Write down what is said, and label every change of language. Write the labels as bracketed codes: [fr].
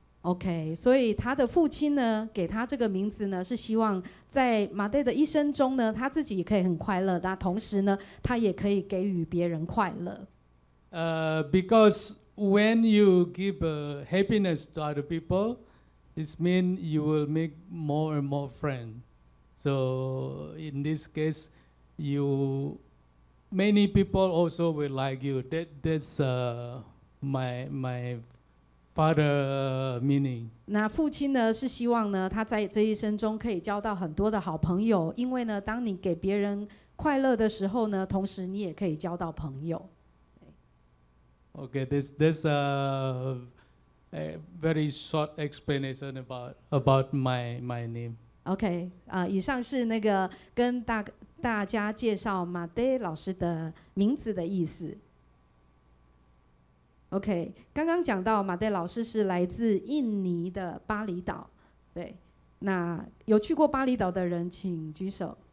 [zh] OK，所以他的父亲呢，给他这个名字呢，是希望在马代的一生中呢，他自己也可以很快乐，那同时呢，他也可以给予别人快乐。 [en] Because when you give happiness to other people, it means you will make more and more friends. So in this case, many people also will like you. That's my father meaning. [zh] 那父亲呢，是希望呢，他在这一生中可以交到很多的好朋友，因为呢，当你给别人快乐的时候呢，同时你也可以交到朋友。 [en] Okay, this a very short explanation about my name. [zh] Okay, 以上是那个跟大家介绍马代老师的名字的意思。 OK， 刚刚讲到马代老师是来自印尼的巴厘岛，对，那有去过巴厘岛的人请举手。